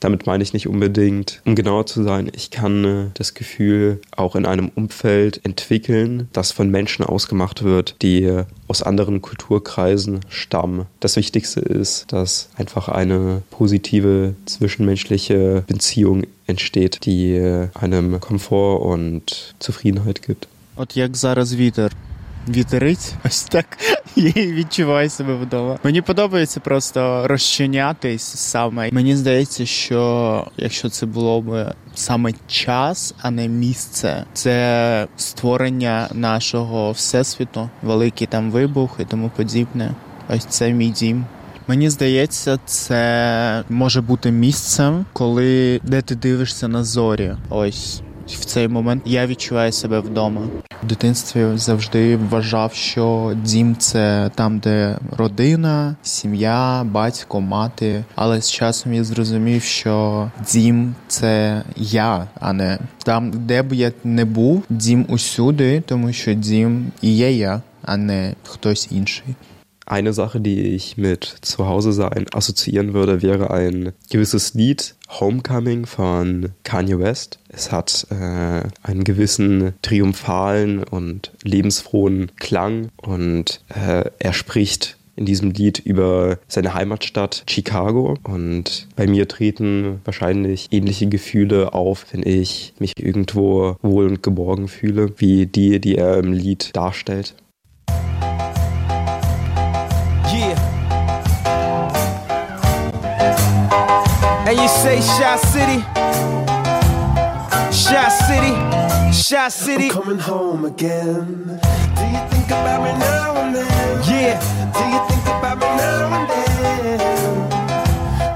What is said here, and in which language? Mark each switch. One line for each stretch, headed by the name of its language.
German: Damit meine ich nicht unbedingt, um genauer zu sein, ich kann das Gefühl auch in einem Umfeld entwickeln, das von Menschen ausgemacht wird, die aus anderen Kulturkreisen stammen. Das Wichtigste ist, dass einfach eine positive zwischenmenschliche Beziehung entsteht, die einem Komfort und Zufriedenheit gibt. Und jak zaraz wieder?
Ukrainian: Вітрить, ось так відчуваю себе вдома. Мені подобається просто розчинятись саме. Мені здається, що якщо це було б саме час, а не місце, це створення нашого Всесвіту, великий там вибух і тому подібне. Ось це мій дім. Мені здається, це може бути місцем, коли де ти дивишся на зорі. Ось. В цей момент я відчуваю себе вдома. В дитинстві завжди вважав, що дім – це там, де родина, сім'я, батько, мати. Але з часом я зрозумів, що дім – це я, а не там, де б я не був, дім усюди, тому що дім і є я, а не хтось інший.
German: Eine Sache, die ich mit Zuhause sein assoziieren würde, wäre ein gewisses Lied, Homecoming von Kanye West. Es hat einen gewissen triumphalen und lebensfrohen Klang und er spricht in diesem Lied über seine Heimatstadt Chicago. Und bei mir treten wahrscheinlich ähnliche Gefühle auf, wenn ich mich irgendwo wohl und geborgen fühle, wie die, die er im Lied darstellt.
English: And you say Shy City, Shy City, Shy City. I'm coming home again. Do you think about me now and then? Yeah. Do you think about me now and then?